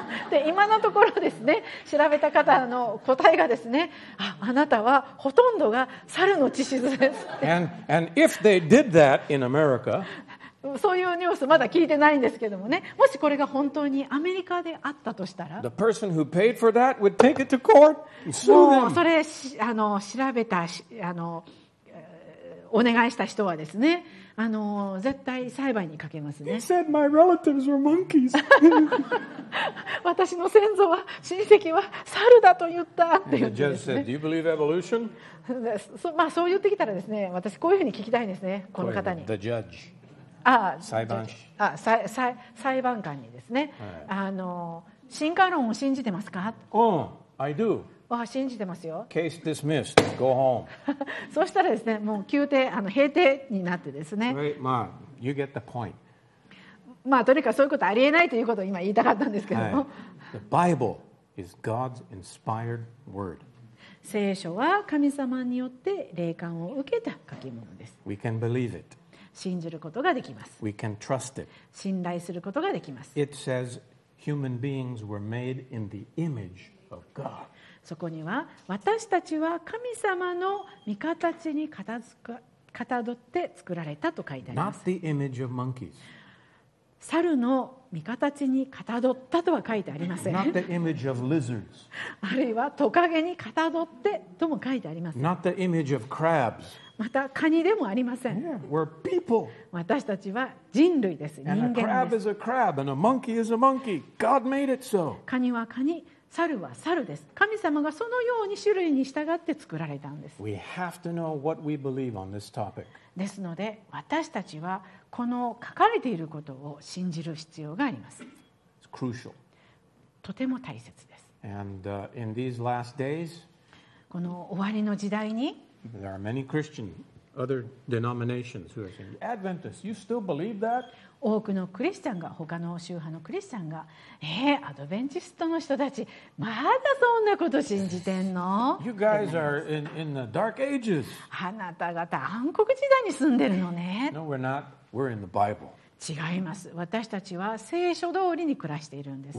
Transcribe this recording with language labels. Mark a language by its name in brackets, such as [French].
[Japanese] で今のところですね、調べた方の答えがですね、あなたはほとんどが猿の血質です。 [English] And if they did that in America, [Japanese] そういうニュースまだ聞いてないんですけどもね、もしこれが本当にアメリカであったとしたら、 [English] the person who paid for that would take it to court and sue them. [Japanese] もうそれあの調べたあのお願いした人はですね。あの絶対裁判にかけますね。 [English] He said my relatives were monkeys. [Japanese] 私の先祖は親戚は猿だと言ったって言ってですね。 [English] The judge said, "Do you believe evolution?" [Japanese] まあそう言ってきたらですね、私こういうふうに聞きたいんですね、この方に。 [English] The judge. ああ、 [Japanese] 裁判士。あ、裁判官にですね。Right. あの進化論を信じてますか？ [English] Oh, I do. [Japanese] 信じてますよ。 [English] Case dismissed. Go home. [Japanese] そうしたらですね、もう休廷、閉廷になってですね。 [English] Right, Mom, you get the point. [Japanese] まあ、とにかくそういうことありえないということを今言いたかったんですけども、はい、 [English] The Bible is God's inspired word. [Japanese] 聖書は神様によって霊感を受けた書き物です。 [English] We can believe it. [Japanese] 信じることができます。 [English] We can trust it. [Japanese] 信頼することができます。 [English] It says human beings were made in the image of God. [Japanese] そこには私たちは神様の御形にかたどって作られたと書いてあります。 [English] Not the image of monkeys. [Japanese] 猿の見形にかたどったとは書いてありません。 [English] Not the image of lizards. [Japanese] あるいはトカゲにかたどってとも書いてありません。 [English] Not the image of crabs. [Japanese] またカニでもありません。 [English] Yeah, we're people. [Japanese] 私たちは人類です。人間です。 [English] And a crab is a crab, and a monkey is a monkey. God made it so. [Japanese] カニはカニ、猿は猿です。神様がそのように種類に従って作られたんです。 [English] We have to know what we believe on this topic. [Japanese] ですので私たちはこの書かれていることを信じる必要があります。 [English] It's crucial. [Japanese] とても大切です。 [English] And, in these last days, [Japanese] この終わりの時代に [English] There are many Christian, other denominations who are saying, Adventists, you still believe that? [Japanese] 多くのクリスチャンが他の宗派のクリスチャンが、アドベンチストの人たちまだそんなこと信じてんの？ [English] You guys are in the dark ages. [Japanese] あなた方暗黒時代に住んでるのね。 [English] No, we're not. We're in the Bible. [Japanese] 違います。私たちは聖書通りに暮らしているんです。